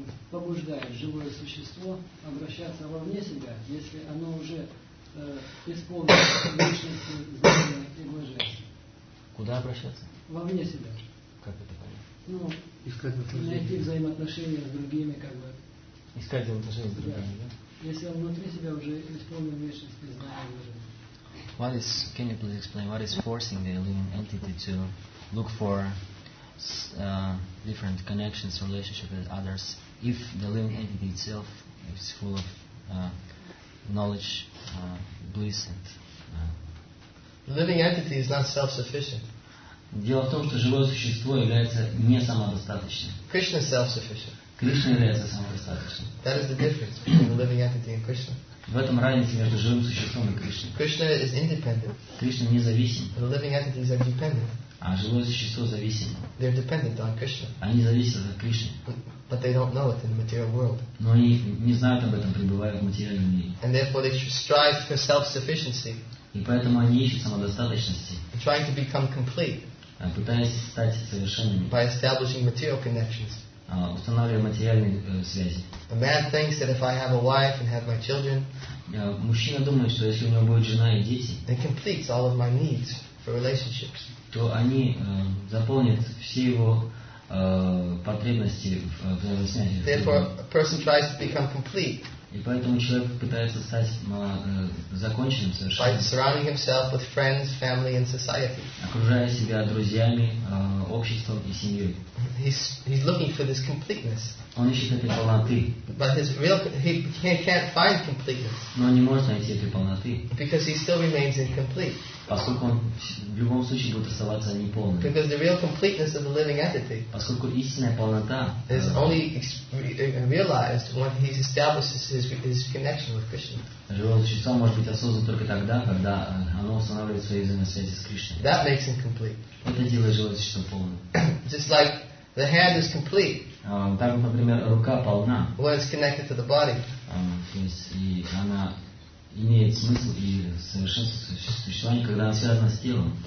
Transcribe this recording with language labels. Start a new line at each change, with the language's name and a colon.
Russian: Побуждает живое существо обращаться вовне себя, если оно уже исполнило личности, знания и блаженства. Куда обращаться? Вовне себя. Как это понять? Ну, искать взаимоотношения. Найти взаимоотношения с другими, как бы. Искать взаимоотношения с другими, да? Если он внутри себя уже исполнил личности, знания и блаженства.
English: What is, can you please explain, what is forcing the living entity to look for different connections, relationships with others? If the living entity itself is full of knowledge, bliss and the living entity is not self-sufficient.
Russian: Дело в том, что живое существо является не самодостаточным.
English: Krishna is self-sufficient.
Russian: Кришна является самодостаточным.
English: That is the difference between the living entity and Krishna.
Russian: В этом разница между живым существом и Кришной.
English: Krishna is independent.
Russian: Кришна независим.
English: The living entity is independent.
Russian: А живое существо зависимо.
English: They're dependent on Krishna.
Russian: Они зависят от Кришны.
English: But they don't know it in the material world.
Russian: Но они не знают об этом, пребывая в материальном мире.
English: And therefore they should strive for self-sufficiency.
Russian: И поэтому они ищут самодостаточности.
English: Trying to become complete.
Russian: Пытаясь стать совершенными.
English: By establishing material connections.
Russian: Устанавливая материальные связи.
English: A man thinks that if I have a wife and have my children.
Russian: Мужчина думает, что если у него будет жена и дети.
English: It completes all of my needs for relationships.
Russian: То они заполнят все его потребности в взаимосвязи.
English: Therefore, a person tries to become complete.
Russian: И поэтому человек пытается стать законченным совершенно.
English: By surrounding himself with friends, family, and society.
Russian: Окружая себя друзьями, обществом и семьей.
English: He's looking for this completeness.
Russian: Он ищет этой полноты.
English: But his real he can't find completeness.
Russian: Но он не может найти этой полноты.
English: Because he still remains incomplete.
Russian: Поскольку он в любом случае будет оставаться неполным.
English: Because the real completeness of the living entity.
Russian: Поскольку истинная полнота.
English: Is only realized when he establishes his connection with Krishna.
Russian: Живое существо может быть осознано только тогда, когда оно устанавливает свои взаимосвязи с Кришной.
English: That makes him complete.
Russian: Это делает живое существо полным.
English: Just like the hand is complete.
Russian: Так, например, рука полна.
English: When it's connected to the body.
Russian: То есть и она имеет смысл и совершенство существования, когда она связана с телом.